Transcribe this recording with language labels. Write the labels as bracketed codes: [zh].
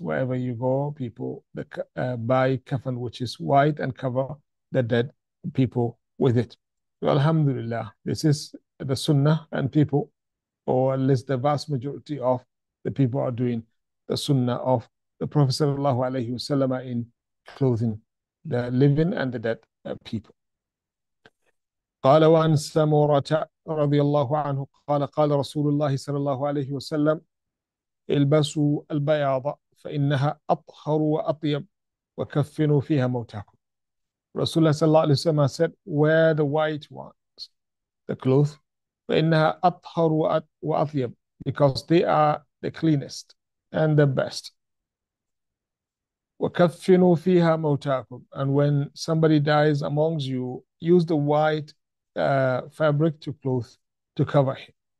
[en] Wherever you go, people buy kafan, which is white, and cover the dead people with it. Well, alhamdulillah, this is the sunnah, and people, or at least the vast majority of the people, are doing the sunnah of the Prophet sallallahu alayhi wasallam in clothing the living and the dead people. [ar] قال وعن سمرة رضي الله عنه قال قال رسول الله صلى الله عليه وسلم البسوا البياض فإنها أطهر وأطيب وكفنوا فيها موتاكم. رسول الله صلى الله عليه وسلم [en] said, wear the white ones, the cloth, [ar] فإنها أطهر وأطيب, [en] because they are the cleanest and the best. [ar] وكفنوا فيها موتاكم, [en] and when somebody dies amongst you, use the white fabric to cover him.